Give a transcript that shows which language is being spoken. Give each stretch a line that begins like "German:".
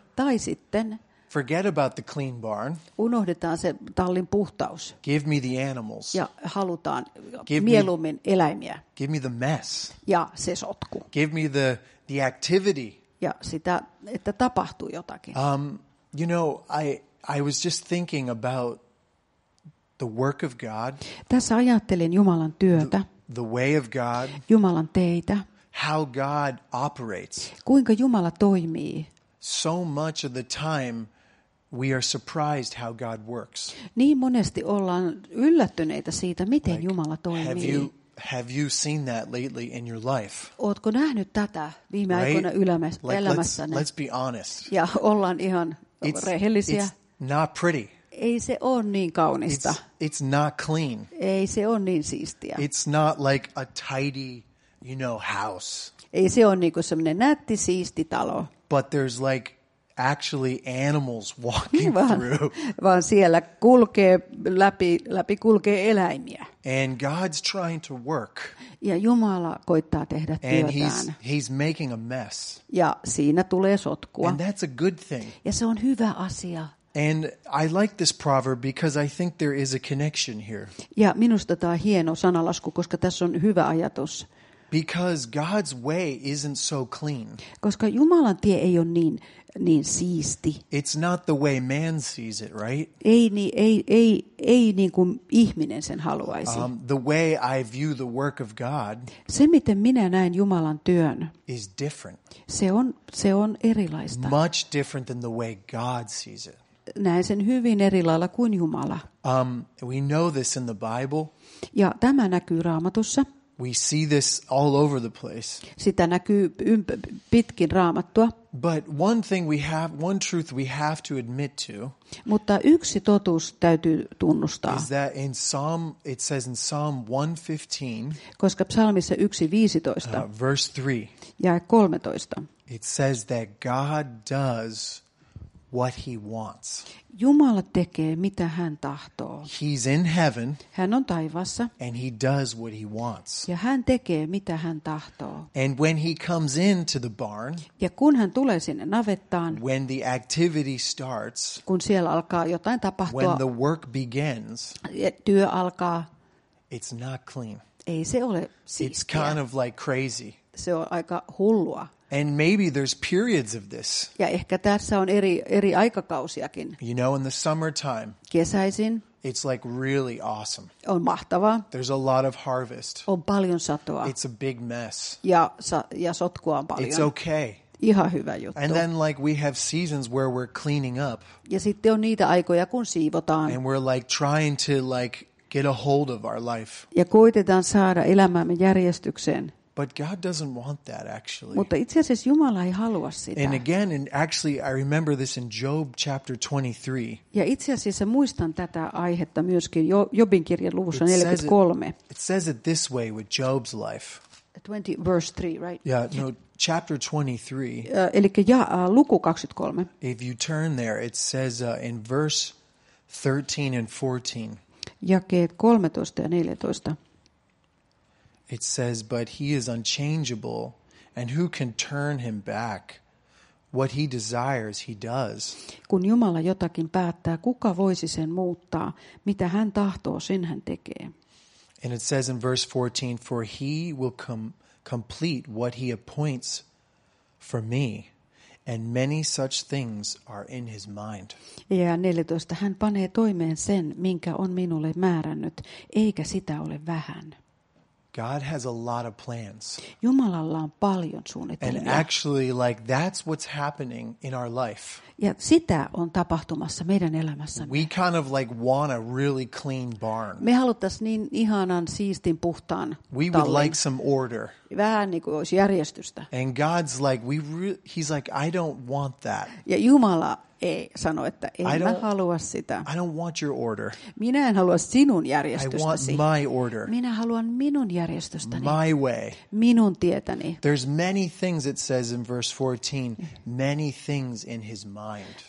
Finnish: tai sitten,
English: forget about the clean barn.
Finnish: Unohdetaan se tallin puhtaus.
English: Give me the animals.
Finnish: Ja halutaan mieluummin eläimiä.
English: Give me the mess.
Finnish: Ja se sotku.
English: Give me the activity.
Finnish: Ja sitä, että tapahtuu jotakin.
English: You know, I was just thinking about the work of God.
Finnish: Tässä ajattelin Jumalan työtä.
English: The way of God.
Finnish: Jumalan teitä.
English: How God operates.
Finnish: Kuinka Jumala toimii.
English: So much of the time we are surprised how God works.
Finnish: Niin monesti ollaan yllättyneitä siitä, miten like, Jumala toimii.
English: Have you seen that lately in your life?
Finnish: Ootko nähnyt tätä viime aikoina elämässä?
English: Let's be honest.
Finnish: Ja ollaan ihan rehellisiä.
English: It's not pretty.
Finnish: Ei se ole niin kaunista.
English: It's not clean.
Finnish: Ei se ole niin siistiä.
English: It's not like a tidy, you know, house.
Finnish: Ei se ole niin kuin semmoinen nätti siisti talo.
English: But there's like actually animals walking through.
Finnish: Vaan siellä kulkee läpi kulkee eläimiä.
English: And God's trying to work.
Finnish: Ja Jumala koittaa tehdä työtään.
English: And he's making a mess.
Finnish: Ja siinä tulee sotkua.
English: And that's a good thing.
Finnish: Ja se on hyvä asia.
English: And I like this proverb because I think there is a connection here.
Finnish: Ja minusta tämä on hieno sanalasku, koska tässä on hyvä ajatus.
English: Because God's way isn't so clean.
Finnish: Koska Jumalan tie ei ole niin siisti.
English: It's not the way man sees it, right?
Finnish: Ei niin kuin ihminen sen haluaisi.
English: The way I view the work of God.
Finnish: Se miten minä näen Jumalan työn.
English: Is different.
Finnish: Se on erilaista.
English: Much different than the way God sees it.
Finnish: Näen sen hyvin eri lailla kuin Jumala.
English: We know this in the Bible.
Finnish: Ja tämä näkyy Raamatussa.
English: We see this all over the place.
Finnish: Sitä näkyy pitkin Raamattua.
English: But one thing we have, one truth we have to admit to.
Finnish: Mutta yksi totuus täytyy tunnustaa.
English: Is that in Psalm, it says in Psalm 115.
Finnish: Koska psalmissa 115.
English: Verse 3.
Finnish: Jae 13.
English: It says that God does what he wants.
Finnish: Jumala tekee mitä hän tahtoo.
English: He's in heaven.
Finnish: Hän on taivassa.
English: And he does what he wants.
Finnish: Ja hän tekee mitä hän tahtoo.
English: And when he comes into the barn.
Finnish: Ja kun hän tulee sinne navettaan.
English: When the activity starts.
Finnish: Kun siellä alkaa jotain tapahtua.
English: When the work begins.
Finnish: Työ alkaa.
English: It's not clean.
Finnish: Ei se ole siistiä.
English: It's kind of like crazy.
Finnish: Se on aika hullua.
English: And maybe there's periods of this.
Finnish: Ja ehkä tässä on eri aikakausiakin.
English: You know, in the summertime.
Finnish: Kesäisin.
English: It's like really awesome.
Finnish: On mahtavaa.
English: There's a lot of harvest.
Finnish: On paljon satoa.
English: It's a big mess.
Finnish: Ja sotkua on paljon.
English: It's okay.
Finnish: Ihan hyvä juttu.
English: And then like we have seasons where we're cleaning up.
Finnish: Ja sitten on niitä aikoja kun siivotaan.
English: And we're like trying to like get a hold of our life.
Finnish: Ja koitetaan saada elämäämme järjestykseen.
English: But God doesn't want that actually.
Finnish: Mutta itse asiassa Jumala ei halua sitä.
English: And again, and actually I remember this in Job chapter 23.
Finnish: Ja itse asiassa muistan tätä aihetta myöskin Jobin kirjan luvussa 43.
English: It says it this way with Job's life. Verse 3, right? Yeah, no, chapter 23.
Finnish: Luku 23.
English: If you turn there, it says in verse 13 and 14.
Finnish: Jakeet 13 ja 14.
English: It says, but he is unchangeable, and who can turn him back? What he desires, he does.
Finnish: Kun Jumala jotakin päättää, kuka voisi sen muuttaa? Mitä hän tahtoo, sen hän tekee.
English: And it says in verse 14, for he will complete what he appoints for me, And many such things are in his mind.
Finnish: Ja 14. Hän panee toimeen sen, minkä on minulle määrännyt, eikä sitä ole vähän.
English: God has a lot of plans.
Finnish: Jumalalla on paljon suunnitelmia.
English: And actually, like, that's what's happening in our life.
Finnish: Ja sitä on tapahtumassa meidän elämässämme.
English: We kind of like want a really clean barn.
Finnish: Me haluttaisiin niin ihanan siistin puhtaan tallin.
English: We would like some order.
Finnish: Vähän niin kuin olisi järjestystä.
English: And God's like, he's like, I don't want that.
Finnish: Ja Jumala ei sano, että en mä halua sitä.
English: I don't want your order.
Finnish: Minä en halua sinun järjestystäsi.
English: I want my order.
Finnish: Minä haluan minun järjestystäni.
English: My way.
Finnish: Minun tietäni.
English: There's many things it says in verse 14, many things in his mind.